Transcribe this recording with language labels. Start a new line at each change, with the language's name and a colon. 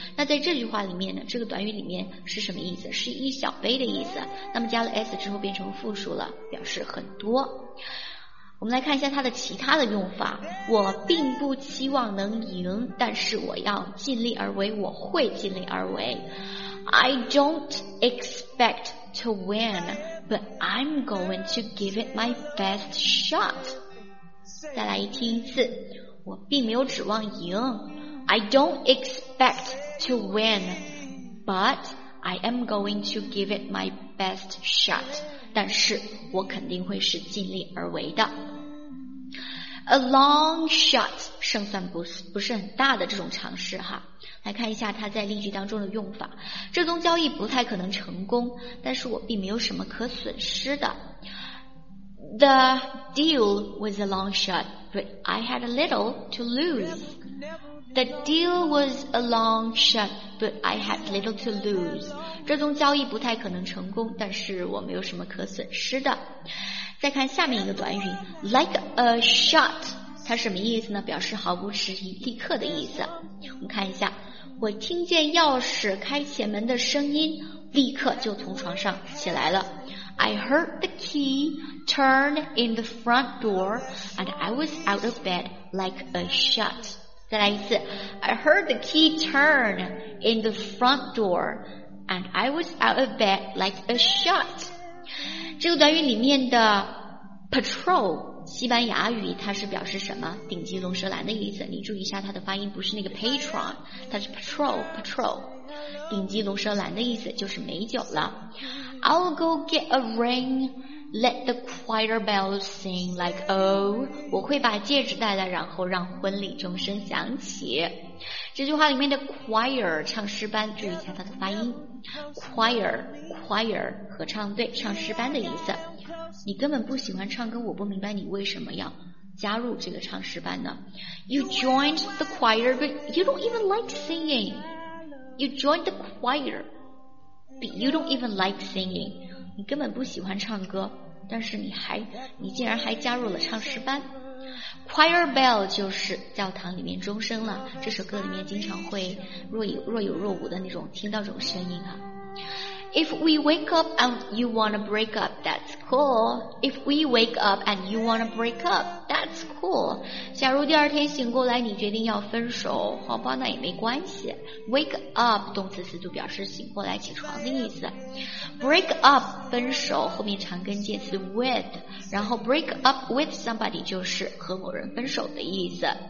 Chinese: 那在这句话里面呢，这个短语里面是什么意思？是一小杯的意思。那么加了 s 之后变成复数了，表示很多。我们来看一下它的其他的用法。我并不期望能赢，但是我要尽力而为，我会尽力而为。
English: I don't expect to win but I'm going to give it my best shot。
Chinese: 再来一听一次，我并没有指望赢。
English: I don't expect to win but I am going to give it my best shot，
Chinese: 但是我肯定会是尽力而为的。
English: A long shot，
Chinese: 胜算不是很大的这种尝试哈。来看一下它在例句当中的用法。这宗交易不太可能成功，但是我并没有什么可损失的。
English: The deal was a long shot, but I had a little to lose. The deal was a long shot, but I had little to lose.
Chinese: 这宗交易不太可能成功，但是我没有什么可损失的。再看下面一个短语，
English: like a shot，
Chinese: 它什么意思呢？表示毫不迟疑，立刻的意思。我们看一下，我听见钥匙开前门的声音，立刻就从床上起来了。
English: I heard the key turn in the front door and I was out of bed like a shot.
Chinese: 再来一次，
English: I heard the key turn in the front door and I was out of bed like a shot.
Chinese: 这个短语里面的 patrol， 西班牙语它是表示什么？顶级龙舌兰的意思。你注意一下它的发音，不是那个 patron， 它是 patrol。顶级龙舌兰的意思就是美酒了。
English: I'll go get a ring, let the choir bell sing like oh，
Chinese: 我会把戒指带来，然后让婚礼钟声响起。这句话里面的 choir 唱诗班，注意一下它的发音， choir 合唱队，唱诗班的意思。你根本不喜欢唱歌，我不明白你为什么要加入这个唱诗班呢。
English: You joined the choir but you don't even like singingYou joined the choir, but you don't even like singing.
Chinese: 你根本不喜欢唱歌，但是你竟然还加入了唱诗班。 Choir bell 就是教堂里面钟声了，这首歌里面经常会若有若无的那种听到这种声音啊。
English: If we wake up and you wanna break up, that's cool. If we wake up and you wanna break up, that's cool.
Chinese: 假如第二天醒过来你决定要分手，好吧，那也没关系。 Wake up 动词词组表示醒过来、起床的意思。 Break up 分手后面常跟介词 with， 然后
English: break up with somebody
Chinese: 就是和某人分手的意思。